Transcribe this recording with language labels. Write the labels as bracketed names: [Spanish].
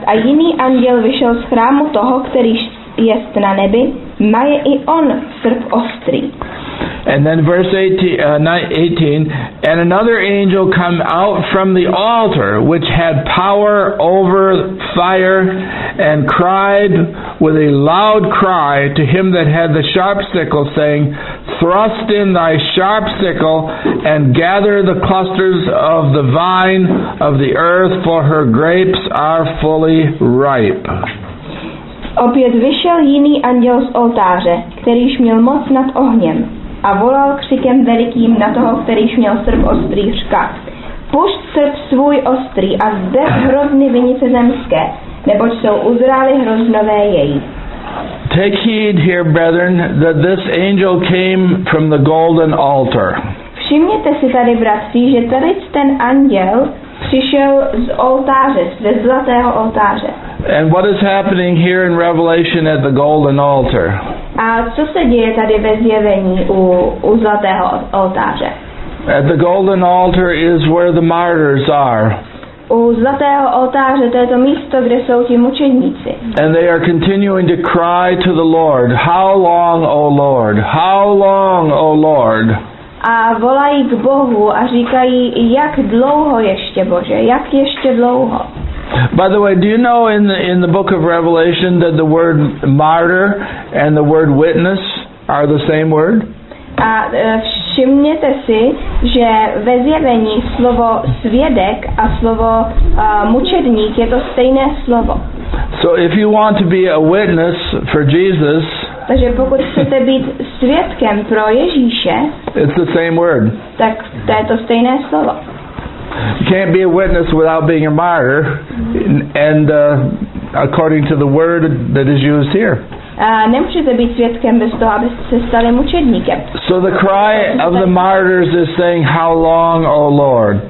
[Czech] A jiný anděl vyšel z chrámu toho, který jest na nebi, maje i on srp ostrý. [English] And then verse 18, and another angel come out from the altar, which had power over fire, and cried with a loud cry to him that had the sharp sickle, saying, thrust in thy sharp sickle, and gather the clusters of the vine of the earth, for her grapes are fully ripe. [Czech] Opět vyšel jiný anděl z oltáře, kterýž měl moc nad ohněm, a volal křikem velikým na toho, kterýž měl srp ostrý, říká, pušť srp svůj ostrý a zde hrozny vinice zemské, neboť jsou uzrály hroznové její. [English] Take heed here, brethren, that this angel came from the golden altar. [Czech] Všimněte si tady, bratři, že tady ten anděl přišel z oltáře, ze zlatého oltáře. [English] And what is happening here in Revelation at the golden altar? [Czech] A co se děje tady ve zjevení u zlatého oltáře? [English] At the golden altar is where the martyrs are. [Czech] U zlatého oltáře, to je to místo, kde jsou ti mučeníci. [English] And they are continuing to cry to the Lord, how long, O Lord? How long, O Lord? [Czech] A volají k Bohu a říkají, jak dlouho ještě, Bože? Jak ještě dlouho? [English] By the way, do you know in the book of Revelation that the word martyr and the word witness are the same word? [Czech] A všimněte si, že ve zjevení slovo svědek a slovo mučedník je to stejné slovo. [English] So if you want to be a witness for Jesus, [Czech] takže pokud chcete být svědkem pro Ježíše, [English] it's the same word. [Czech] Tak to je to stejné slovo. [English] You can't be a witness without being a martyr, and according to the word that is used here. [Czech] Nemůžete být svědkem bez toho, abyste se stali mučedníkem. [English] So the cry of the martyrs is saying, how long, O Lord?